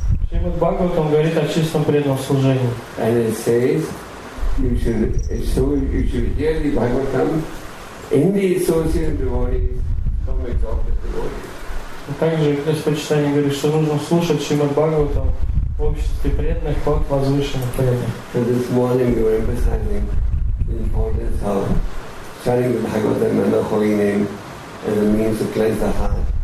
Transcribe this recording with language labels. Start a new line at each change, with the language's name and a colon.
Russian: Шримад Бхагаватам говорит о чистом преданном служении.
English: And it says, you should hear the Bhagavatam in the association of devotees from the office of devotees.
Russian: Также здесь почитание говорит, что нужно слушать Шримад Бхагаватам в обществе преданных от возвышенных преданных.
English: So this morning we're emphasizing the importance of chanting the Bhagavatam and the holy name as a means to cleanse the heart.